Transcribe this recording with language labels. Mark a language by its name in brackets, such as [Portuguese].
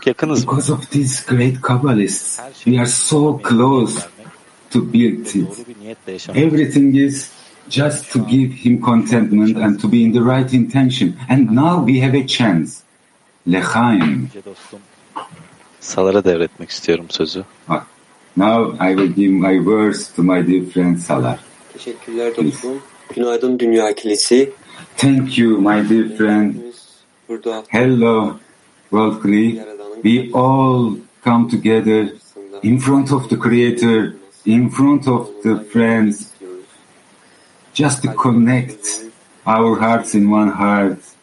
[English] because of these great Kabbalists, we are so close to build it. Everything is just to give Him contentment and to be in the right intention. And now we have a chance. Lechaim. [Turkish] Salara devretmek istiyorum sözü. [English] Now I will give my words to my dear friend Salar. [Turkish] Teşekkürler dostum. Günaydın Dünya Kilisi. [English] Thank you, my dear friend. Hello, World Kli. We all come together in front of the Creator, in front of the friends, just to connect our hearts in one heart.